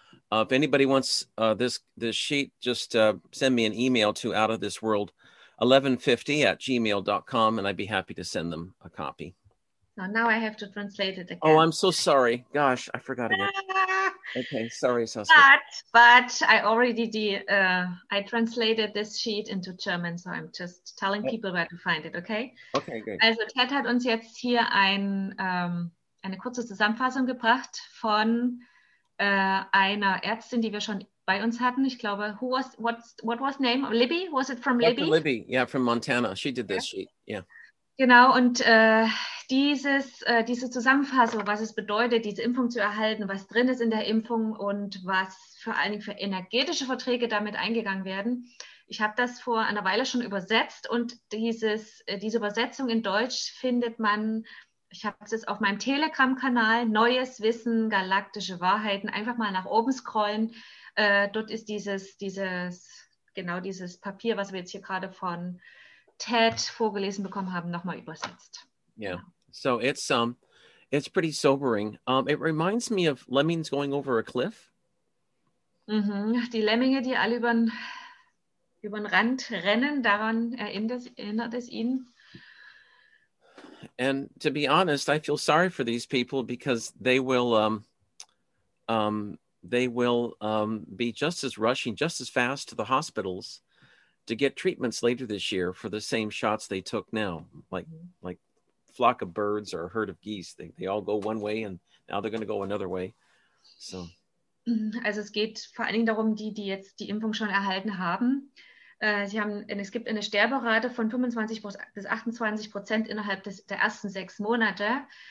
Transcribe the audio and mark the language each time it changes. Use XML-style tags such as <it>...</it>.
<en>If anybody wants this sheet, just send me an email to Out of This World 1150@gmail.com, and I'd be happy to send them a copy. Now I have to translate it again. Oh, I'm so sorry. Gosh, I forgot again. Okay, sorry, so sorry. But I already I translated this sheet into German, so I'm just telling people where to find it, okay? Okay, good.</en> <de>Also Ted hat uns jetzt hier eine kurze Zusammenfassung gebracht von einer Ärztin, die wir schon bei uns hatten. Ich glaube,</de> <en>what was name? Libby? Was it from Libby? Libby, yeah, from Montana. She did this sheet, yeah.</en> <de>Genau, und diese Zusammenfassung, was es bedeutet, diese Impfung zu erhalten, was drin ist in der Impfung und was vor allen Dingen für energetische Verträge damit eingegangen werden. Ich habe das vor einer Weile schon übersetzt und diese Übersetzung in Deutsch findet man, ich habe es auf meinem Telegram-Kanal, Neues Wissen, galaktische Wahrheiten, einfach mal nach oben scrollen. Dort ist dieses Papier, was wir jetzt hier gerade von Ted vorgelesen bekommen haben, nochmal übersetzt.</de> <en>Yeah, so it's pretty sobering. It reminds me of lemmings going over a cliff. Mm-hmm.</en> <de>Die Lemminge, die alle über den Rand rennen, daran erinnert es ihn.</de> <en>And to be honest, I feel sorry for these people because they will be just as rushing, just as fast to the hospitals to get treatments later this year for the same shots they took now, like flock of birds or a herd of geese. They all go one way and now they're going to go another way. So.</en> <de>Also es geht vor allen Dingen darum, die jetzt die Impfung schon erhalten haben. Es gibt eine Sterberate von 25-28% innerhalb der ersten 6 Monate.</de>